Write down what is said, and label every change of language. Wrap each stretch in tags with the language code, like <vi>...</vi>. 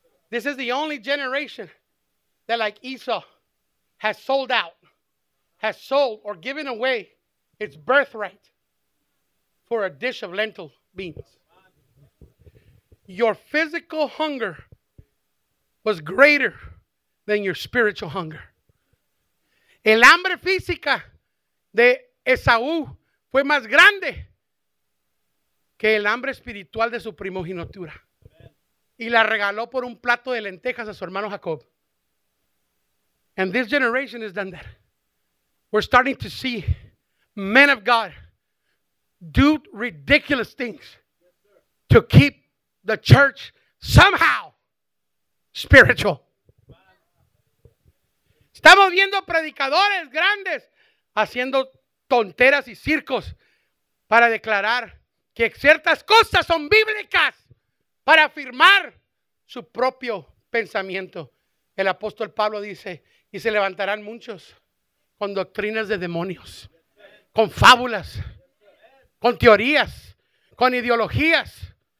<en>This is the only generation that, like Esau, has sold out, has sold or given away its birthright for a dish of lentil beans. Your physical hunger was greater than your spiritual hunger.</en> <es>El hambre física de Esaú fue más grande que el hambre espiritual de su primogenitura. Y la regaló por un plato de lentejas a su hermano Jacob.</es> <en>And this generation has done that. We're starting to see men of God do ridiculous things to keep the church somehow spiritual.</en> <es>Estamos viendo predicadores grandes haciendo tonteras y circos para declarar que ciertas cosas son bíblicas para afirmar su propio pensamiento. El apóstol Pablo dice, y se levantarán muchos con doctrinas de demonios, con fábulas, con teorías, con ideologías.</es>